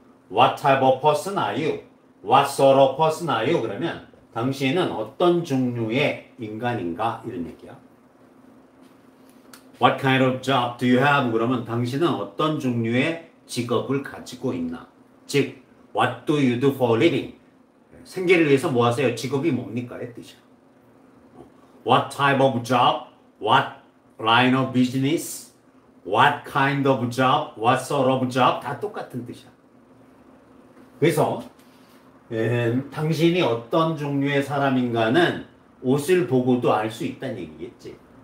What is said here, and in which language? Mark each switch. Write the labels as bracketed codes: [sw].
[en] What type of person are you? What sort of person are you? [ko] 그러면 당신은 어떤 종류의 인간인가? 이런 얘기야. [en] What kind of job do you have? [ko] 그러면 당신은 어떤 종류의 직업을 가지고 있나? [en] 즉, what do you do for a living? [ko] 생계를 위해서 뭐 하세요? 직업이 뭡니까? 이 뜻이야. [en] What type of job? What line of business? What kind of job? What sort of job? [ko] 다 똑같은 뜻이야. 그래서 당신이 어떤 종류의 사람인가는 옷을 보고도 알 수 있다는 얘기겠지.